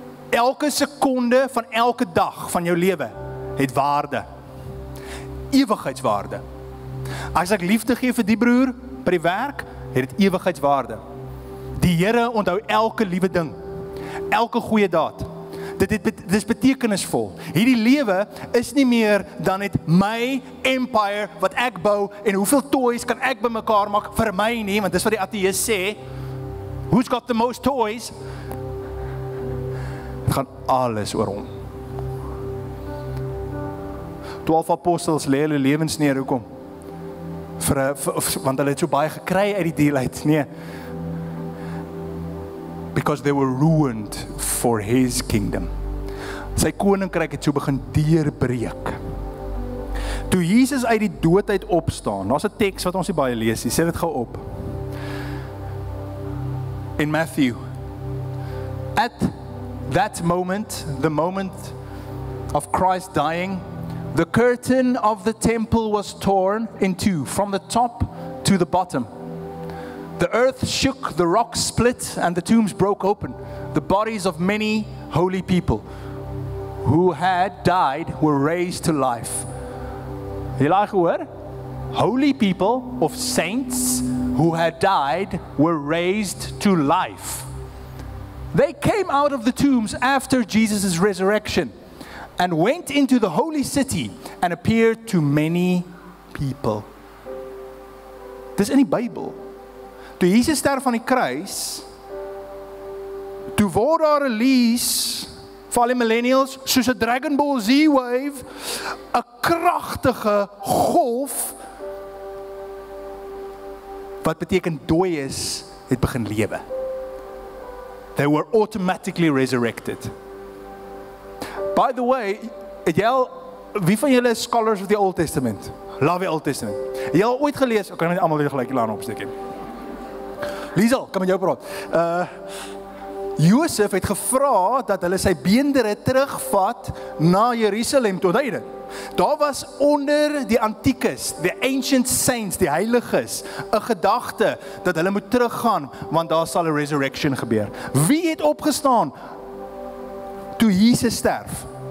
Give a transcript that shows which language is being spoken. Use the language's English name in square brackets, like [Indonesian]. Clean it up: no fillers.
[Afrikaans] Elke sekonde van elke dag van jou lewe het waarde. Ewigheidswaarde. As ek liefde gee vir die broer by die werk, het dit ewigheidswaarde. Die Here onthou elke liewe ding. Elke goeie daad. Dit is betekenisvol. Hierdie lewe is nie meer dan net my empire wat ek bou en hoeveel toys kan ek bymekaar maak vir my nie, want dis wat die ateë sê. [English] Who's got the most toys? [Afrikaans] Het gaan alles oor hom. 12 apostels lê hulle lewens neer, hoekom? Want hulle het so baie gekry uit die deal uit, nee. [English] Because they were ruined for his kingdom. [Afrikaans] Sy koninkryk het so begin deurbreek. Toe Jesus uit die dood uit opstaan, daar's 'n teks wat ons nie baie lees nie, sê dit gou op. [English] In Matthew, at that moment, the moment of Christ dying, the curtain of the temple was torn in two, from the top to the bottom. The earth shook, the rocks split, and the tombs broke open. The bodies of many holy people who had died were raised to life. [Afrikaans] Jy laai gehoor? [English] Holy people of saints who had died were raised to life. They came out of the tombs after Jesus' resurrection and went into the holy city and appeared to many people. [Afrikaans] Dis in die Bybel. Toe Jesus sterf aan die kruis, toe word daar release vir al die millennials, soos 'n Dragon Ball Z wave, 'n kragtige golf, wat beteken dooi is, het begin lewe. [English] They were automatically resurrected. By the way, [Afrikaans] wie van julle is [English] scholars of the Old Testament? Love the Old Testament. [Afrikaans] Jy al ooit gelees, ek kan nie almal weer gelyk hier laan opsteek nie. Liesel, kan met jou praat. Josef het gevra dat hulle sy beenderen terugvat na Jerusalem toe hy dit. Daar was onder die antiekes, [English] the ancient saints, [Afrikaans] die heiliges, 'n gedagte dat hulle moet teruggaan, want daar sal 'n resurrection gebeur. Wie het opgestaan toe Jesus sterf?